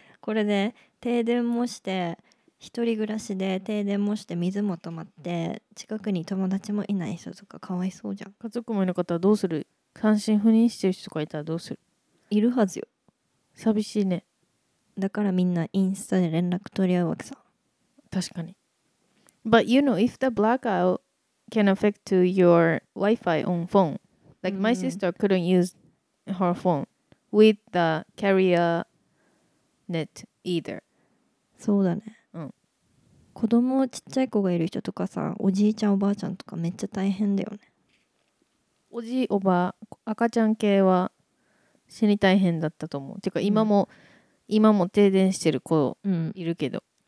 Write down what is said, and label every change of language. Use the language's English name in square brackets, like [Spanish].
[Japanese] これで停電もして、一人暮らしで停電もして水も止まって、近くに友達もいない人とかかわいそうじゃん。家族もいる方はどうする？単身赴任してる人とかいたらどうする？いるはずよ。寂しいね。だからみんなインスタで連絡取り合うわけさ。確かに。 [English] But you know, if the blackout can affect to your Wi-Fi on phone, like my sister couldn't use her phone with the carrier net either. [Japanese] そうだね。うん。子供ちっちゃい子がいる人とかさ、おじいちゃんおばあちゃんとかめっちゃ大変だよね。おじいおばあ、赤ちゃん系は死に大変だったと思う。てか今も、今も停電してる子いるけど、